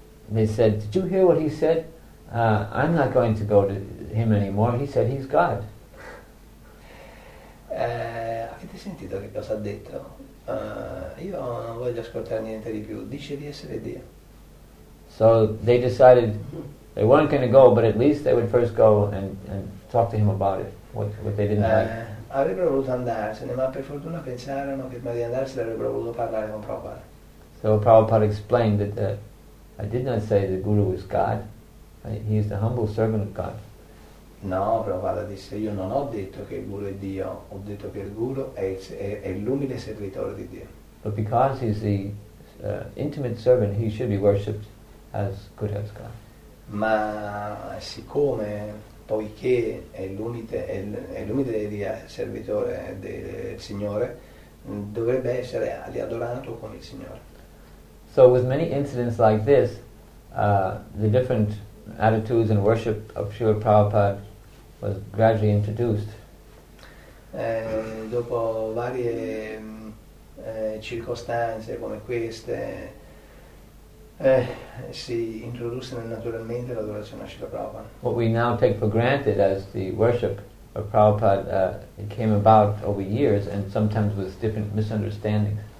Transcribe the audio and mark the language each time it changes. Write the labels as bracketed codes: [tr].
[en] They said, did you hear what he said? I'm not going to go to him anymore. He said he's God. [it] Avete sentito che cosa ha detto? Io non voglio ascoltare niente di più. Dice di essere Dio. [en] So they decided they weren't going to go, but at least they would first go and talk to him about it, what they didn't like. [it] Avrebbero voluto andarsene, ma per fortuna pensarono che prima di andarsene avrebbero voluto parlare con Prabhupada. [en] So Prabhupada explained that I did not say the Guru is God. He is the humble servant of God. [it] No, Prabhupada disse, io non ho detto che il Guru è Dio, ho detto che il Guru è l'umile servitore di Dio. [en] But because he is the intimate servant, he should be worshipped as good as God. [it] Ma siccome... poiché è l'umile servitore del Signore, dovrebbe essere adorato come il Signore. [en] So with many incidents like this, the different attitudes and worship of Srila Prabhupada was gradually introduced. [it] Dopo varie circostanze come queste, si introduce naturalmente l'adorazione a Srila Prabhupada. [en] What we now take for granted as the worship of Prabhupada it came about over years and sometimes with different misunderstandings.